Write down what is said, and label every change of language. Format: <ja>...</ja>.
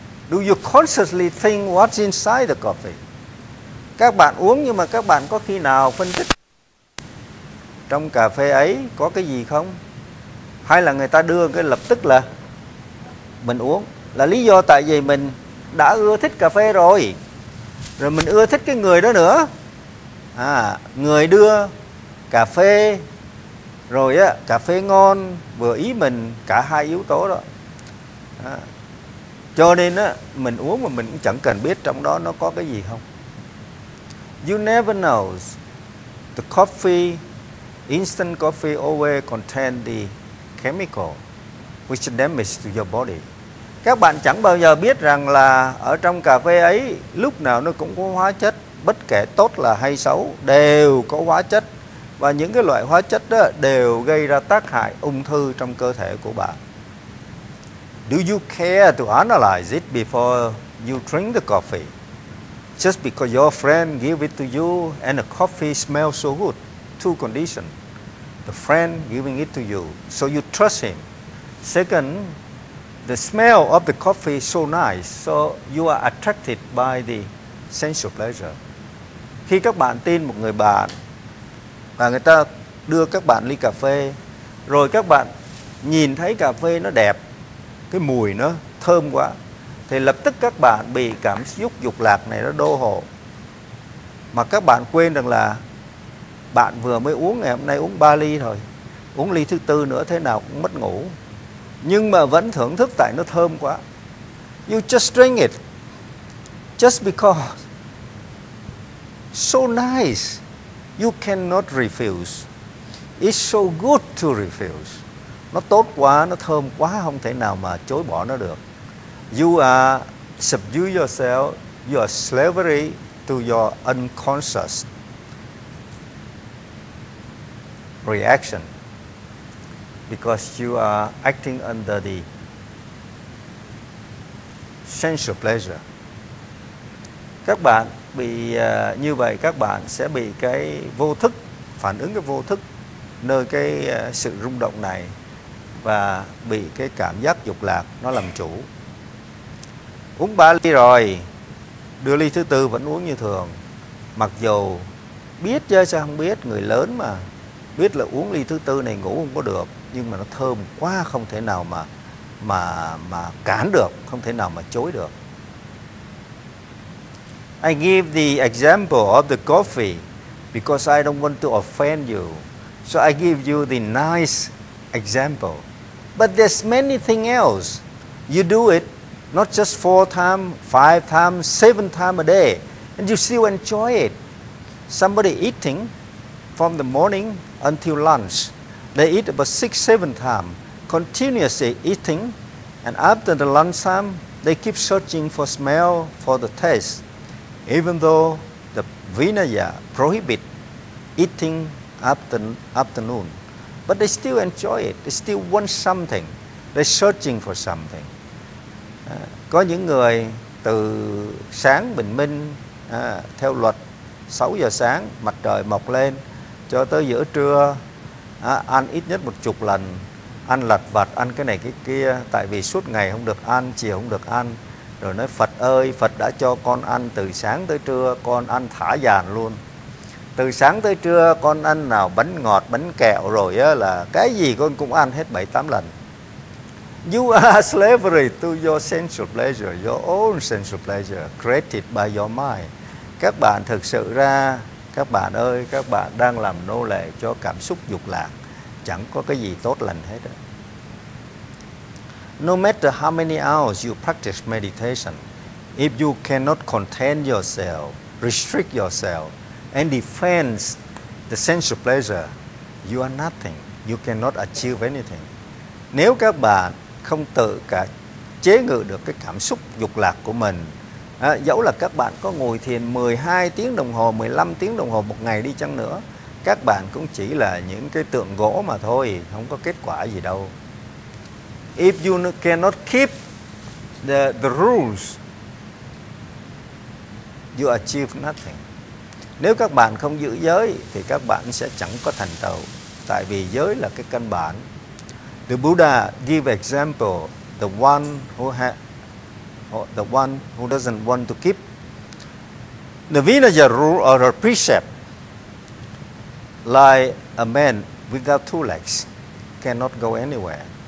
<en>Do you consciously think what's inside the coffee?</en> <vi>Các bạn uống nhưng mà các bạn có khi nào phân tích trong cà phê ấy có cái gì không? Hay là người ta đưa cái lập tức là mình uống? Là lý do tại vì mình đã ưa thích cà phê rồi. rồi mình ưa thích cái người đó nữa. À, người đưa cà phê, rồi á, cà phê ngon, vừa ý mình, cả hai yếu tố đó. À, cho nên á, mình uống mà mình cũng chẳng cần biết trong đó nó có cái gì không.</vi> <en>You never know. The coffee, instant coffee always contain the chemical which damage to your body.</en> <vi>Các bạn chẳng bao giờ biết rằng là ở trong cà phê ấy lúc nào nó cũng có hóa chất, bất kể tốt là hay xấu đều có hóa chất, và những cái loại hóa chất đó đều gây ra tác hại ung thư trong cơ thể của bạn.</vi> <en>Do you care to analyze it before you drink the coffee? Just because your friend give it to you and the coffee smells so good, two conditions. The friend giving it to you, so you trust him. Second, the smell of the coffee is so nice, so you are attracted by the sensual pleasure.</en> <vi>Khi các bạn tin một người bạn và người ta đưa các bạn ly cà phê, rồi các bạn nhìn thấy cà phê nó đẹp, cái mùi nó thơm quá, thì lập tức các bạn bị cảm xúc dục lạc này nó đô hộ. Mà các bạn quên rằng là bạn vừa mới uống ngày hôm nay uống 3 ly thôi, uống ly thứ tư nữa thế nào cũng mất ngủ, nhưng mà vẫn thưởng thức tại nó thơm quá.</vi> <en>You just drink it just because so nice, you cannot refuse. It's so good to refuse.</en> <vi>Nó tốt quá, nó thơm quá, không thể nào mà chối bỏ nó được.</vi> <en>You are subdue yourself, you are slavery to your unconscious reaction because you are acting under the sensual pleasure.</en> <vi>Các bạn bị như vậy, các bạn sẽ bị cái vô thức, phản ứng cái vô thức nơi cái sự rung động này và bị cái cảm giác dục lạc nó làm chủ. Uống 3 ly rồi, đưa ly thứ tư vẫn uống như thường. Mặc dù biết chứ sao không biết, người lớn mà biết là uống ly thứ tư này ngủ không có được, nhưng mà nó thơm quá, không thể nào mà cản được, không thể nào mà chối được.</vi> <en>I give the example of the coffee because I don't want to offend you. So I give you the nice example. But there's many things else. You do it not just 4 times, 5 times, 7 times a day, and you still enjoy it. Somebody eating from the morning until lunch, they eat about 6-7 times, continuously eating, and after the lunch time, they keep searching for smell, for the taste, even though the Vinaya prohibit eating afternoon. But they still enjoy it, they still want something, they're searching for something.</en> <vi>Có những người từ sáng bình minh, theo luật 6 giờ sáng mặt trời mọc lên cho tới giữa trưa, ăn ít nhất 10 lần, ăn lặt vặt, ăn cái này cái kia, tại vì suốt ngày không được ăn, chiều không được ăn, rồi nói Phật ơi, Phật đã cho con ăn từ sáng tới trưa, con ăn thả dàn luôn. Từ sáng tới trưa con ăn nào bánh ngọt, bánh kẹo, rồi là cái gì con cũng ăn hết 7-8 lần.</vi> <en>You are slavery to your sensual pleasure, your own sensual pleasure created by your mind.</en> <vi>Các bạn thực sự ra, các bạn ơi, các bạn đang làm nô lệ cho cảm xúc dục lạc, chẳng có cái gì tốt lành hết.</vi> <en>No matter how many hours you practice meditation, if you cannot contain yourself, restrict yourself, and defend the sensual pleasure, you are nothing. You cannot achieve anything.</en> <vi>Nếu các bạn không tự cả chế ngự được cái cảm xúc dục lạc của mình, dẫu là các bạn có ngồi thiền 12 tiếng đồng hồ, 15 tiếng đồng hồ một ngày đi chăng nữa, các bạn cũng chỉ là những cái tượng gỗ mà thôi, không có kết quả gì đâu.</vi> <en>If you cannot keep the rules, you achieve nothing.</en> <vi>Nếu các bạn không giữ giới thì các bạn sẽ chẳng có thành tựu, tại vì giới là cái căn bản.</vi> <en>The Buddha give example, the one who doesn't want to keep the Vinaya rule or a precept, like a man without 2 legs, cannot go anywhere.</en>